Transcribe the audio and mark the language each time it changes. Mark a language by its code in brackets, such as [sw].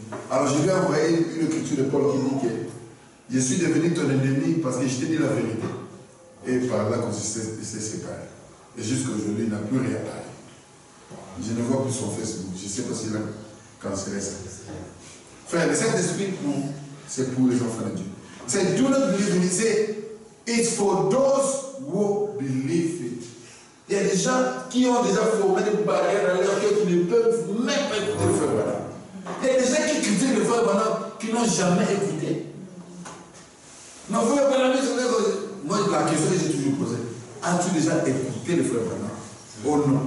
[fr] Alors je lui ai envoyé une écriture de Paul qui dit que je suis devenu ton ennemi parce que je t'ai dit la vérité. Et par là qu'on s'est séparé. Et jusqu'aujourd'hui, il n'a plus rien parlé. Je ne vois plus son Facebook. Je ne sais pas s'il a cancéré ça. Frère, le Saint-Esprit, c'est pour les enfants de Dieu. C'est [en] do not believe in it. It's for those who believe it. [fr] Il y a des gens qui ont déjà formé des barrières dans leur cœur qui ne peuvent même pas écouter le frère Branham. Il y a des gens qui critiquent le frère Branham qui n'ont jamais écouté. Non, frère Branham, moi, la question que j'ai toujours posée, as-tu déjà écouté le frère Branham? Oh non.